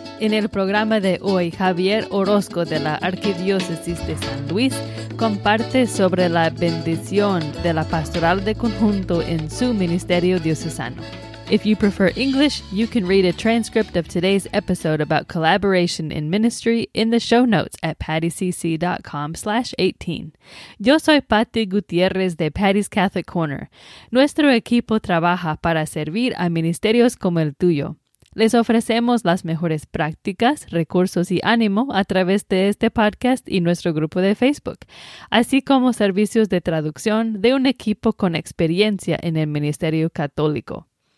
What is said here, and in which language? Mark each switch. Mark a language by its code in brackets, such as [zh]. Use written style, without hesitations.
[es] En el programa de hoy, Javier Orozco de la Arquidiócesis de San Luis comparte sobre la bendición de la pastoral de conjunto en su ministerio diocesano. [en] If you prefer English, you can read a transcript of today's episode about collaboration in ministry in the show notes at pattycc.com/18. [es] Yo soy Patty Gutierrez de Patty's Catholic Corner. Nuestro equipo trabaja para servir a ministerios como el tuyo. Les ofrecemos las mejores prácticas, recursos y ánimo a través de este podcast y nuestro grupo de Facebook, así como servicios de traducción de un equipo con experiencia en el ministerio católico.